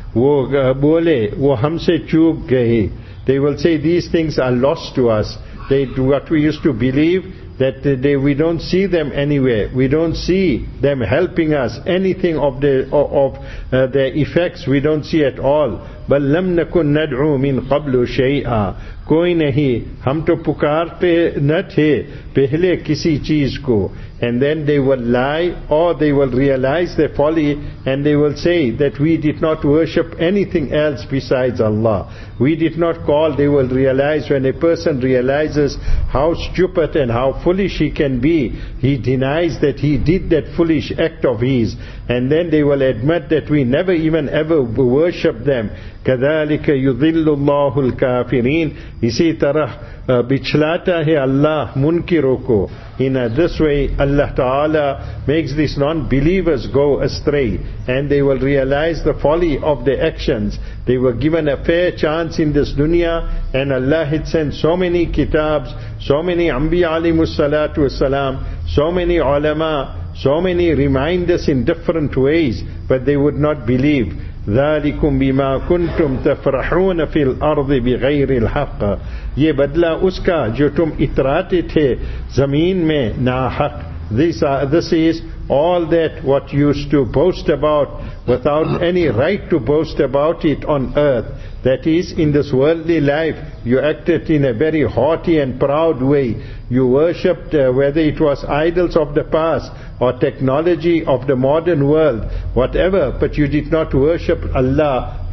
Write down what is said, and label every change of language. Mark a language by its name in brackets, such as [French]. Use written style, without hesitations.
[Urdu] وہ بولے وہ ہم سے چوک گئے. [English] They will say these things are lost to us. They do what we used to believe, that they, we don't see them anywhere. We don't see them helping us. Anything of their effects we don't see at all. [Arabic] بل لم نكن ندعو من قبل شيئا. [Urdu] کوئی نہیں ہم تو پکارتے نہ تھے پہلے کسی چیز کو. [English] And then they will lie, or they will realize their folly, and they will say that we did not worship anything else besides Allah. We did not call. They will realize, when a person realizes how stupid and how foolish he can be, he denies that he did that foolish act of his. And then they will admit that we never even ever worshipped them. [Arabic] كَذَلِكَ يُذِلُّ اللَّهُ الْكَافِرِينَ. [Urdu] اسی طرح بچھلاتا ہے اللہ منکروں کو. [English] In this way, Allah Ta'ala makes these non-believers go astray, and they will realize the folly of their actions. They were given a fair chance in this dunya, and Allah had sent so many kitabs, so many anbiya alayhimu salatu wasalam, so many ulama, so many reminders in different ways, but they would not believe. [Arabic] ذَلِكُمْ بِمَا كُنْتُمْ تَفْرَحُونَ فِي الْأَرْضِ بِغَيْرِ الْحَقِّ. [Urdu] یہ بدلہ اس کا جو تم اتراتے تھے زمین میں ناحق. [English] This is all that what you used to boast about without any right to boast about it on earth. That is, in this worldly life, you acted in a very haughty and proud way. You worshipped whether it was idols of the past or technology of the modern world, whatever, but you did not worship Allah.